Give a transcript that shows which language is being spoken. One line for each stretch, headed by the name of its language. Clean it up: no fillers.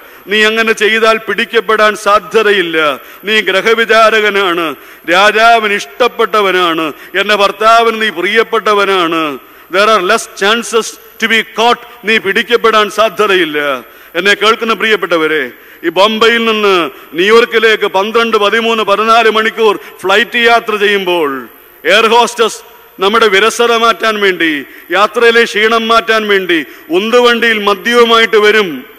Malayalam: നീ അങ്ങനെ ചെയ്താൽ പിടിക്കപ്പെടാൻ സാധ്യതയില്ല. നീ ഗ്രഹവിചാരകനാണ്, രാജാവിന് ഇഷ്ടപ്പെട്ടവനാണ്, എന്റെ ഭർത്താവിന് നീ പ്രിയപ്പെട്ടവനാണ്.
English: There are less chances to be caught.
Malayalam: നീ പിടിക്കപ്പെടാൻ സാധ്യതയില്ല. എന്നെ കേൾക്കുന്ന പ്രിയപ്പെട്ടവരെ, ഈ ബോംബെയിൽ നിന്ന് ന്യൂയോർക്കിലേക്ക് 12, 13, 14 മണിക്കൂർ ഫ്ലൈറ്റ് യാത്ര ചെയ്യുമ്പോൾ എയർ ഹോസ്റ്റസ് നമ്മുടെ വിരസത മാറ്റാൻ വേണ്ടി, യാത്രയിലെ ക്ഷീണം മാറ്റാൻ വേണ്ടി ഉന്തുവണ്ടിയിൽ മദ്യവുമായിട്ട് വരും.